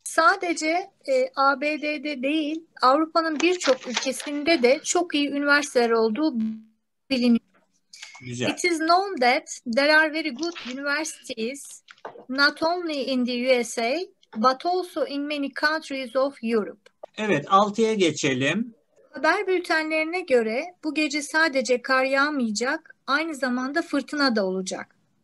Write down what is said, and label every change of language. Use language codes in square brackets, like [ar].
[tr] Sadece ABD'de değil, Avrupa'nın birçok ülkesinde de çok iyi üniversiteler olduğu biliniyor. Güzel. [en] It is known that there are very good universities not only in the USA but also in many countries of Europe. [tr] Evet, 6'ya geçelim. Haber bültenlerine göre bu gece sadece kar yağmayacak, aynı zamanda fırtına da olacak.